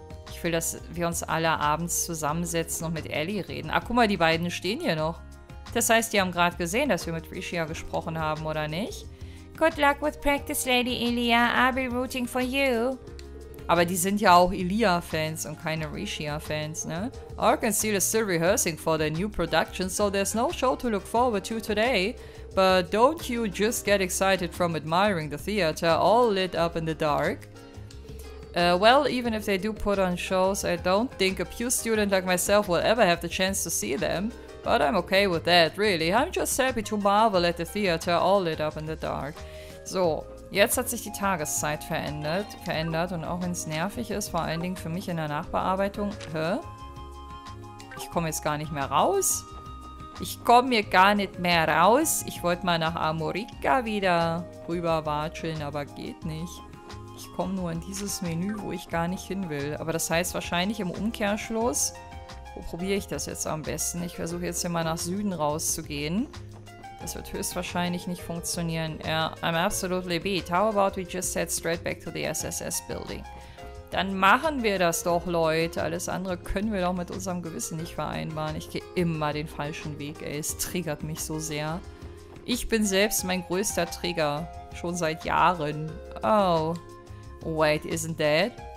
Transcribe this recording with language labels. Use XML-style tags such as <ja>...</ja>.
<de>Ich will, dass wir uns alle abends zusammensetzen und mit Ellie reden. Ah, guck mal, die beiden stehen hier noch. Das heißt, die haben gerade gesehen, dass wir mit Rishia gesprochen haben, oder nicht?</de> <en>Good luck with practice, Lady Ilia. I'll be rooting for you.</en> <de>Aber die sind ja auch Ilia-Fans und keine Rishia-Fans, ne?</de> <en>Ark and Seal is still rehearsing for their new production, so there's no show to look forward to today. But don't you just get excited from admiring the theater all lit up in the dark? Well, even if they do put on shows, I don't think a pure student like myself will ever have the chance to see them. But I'm okay with that, really. I'm just happy to marvel at the theater all lit up in the dark.</en> <de>So. Jetzt hat sich die Tageszeit verändert und auch wenn es nervig ist, vor allen Dingen für mich in der Nachbearbeitung. Hä? Ich komme jetzt gar nicht mehr raus. Ich komme hier gar nicht mehr raus. Ich wollte mal nach Amorica wieder rüber watscheln, aber geht nicht. Ich komme nur in dieses Menü, wo ich gar nicht hin will. Aber das heißt wahrscheinlich im Umkehrschluss. Wo probiere ich das jetzt am besten? Ich versuche jetzt hier mal nach Süden rauszugehen. Das wird höchstwahrscheinlich nicht funktionieren. Ja,</de> <en>yeah, I'm absolutely beat. How about we just head straight back to the SSS building?</en> <de>Dann machen wir das doch, Leute. Alles andere können wir doch mit unserem Gewissen nicht vereinbaren. Ich gehe immer den falschen Weg, ey. Es triggert mich so sehr. Ich bin selbst mein größter Trigger. Schon seit Jahren. Oh.</de> <en>Wait, isn't that?</en>